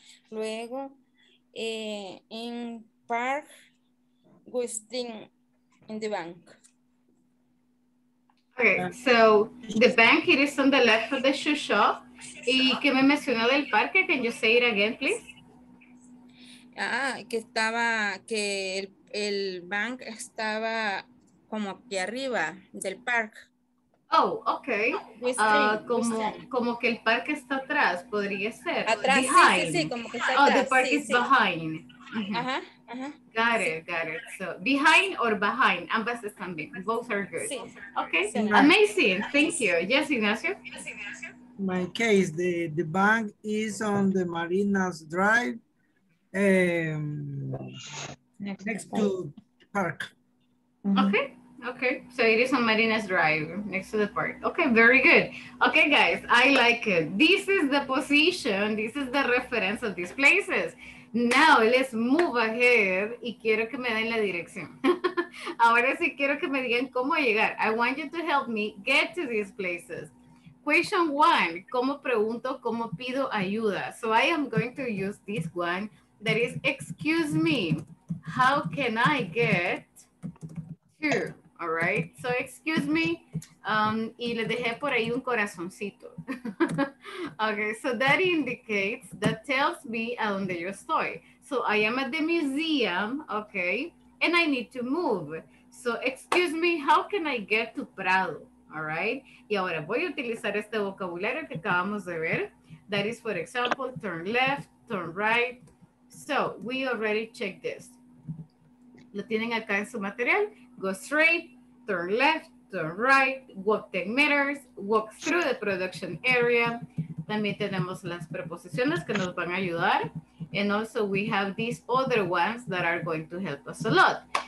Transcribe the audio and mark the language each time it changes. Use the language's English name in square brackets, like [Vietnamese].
[English] Luego, in park, within in the bank. Okay, so the bank, it is on the left of the shoe shop. [Spanish] ¿Y qué me mencionó del parque? Can you say it again, please? Ah, que estaba, que el bank estaba como aquí arriba del parque. [English] Oh, ok. [Spanish] Como que el parque está atrás, podría ser. Atrás, behind. Sí, como que está atrás. [English] Oh, the park is behind. [Spanish] Ajá, [English] got it. So, behind or behind, ambas están bien. Both are good. Sí. Ok, sí. Amazing. Thank you. Yes, Ignacio. My case, the bank is on the Marina's Drive. Next to park. Okay, so it is on Marina's Drive next to the park. Okay, very good. Okay, guys, I like it. This is the position, this is the reference of these places. [Spanish] Now let's move ahead y quiero que me den la dirección. Ahora sí quiero que me digan cómo llegar. [English] I want you to help me get to these places. Question one, ¿cómo pregunto, cómo pido ayuda? So I am going to use this one. That is, excuse me, how can I get to, all right? [Spanish] So, excuse me, y le dejé por ahí un corazoncito. [English] Okay, so that indicates, that tells me a donde yo estoy. So, I am at the museum, okay, and I need to move. So, excuse me, how can I get to Prado, all right? [Spanish] Y ahora voy a utilizar este vocabulario que acabamos de ver. [English] That is, for example, turn left, turn right. [Spanish] So, we already checked this. Lo tienen acá en su material. [English] Go straight, turn left, turn right, walk 10 meters, walk through the production area. [Spanish] También tenemos las preposiciones que nos van a ayudar. [English] And also we have these other ones that are going to help us a lot.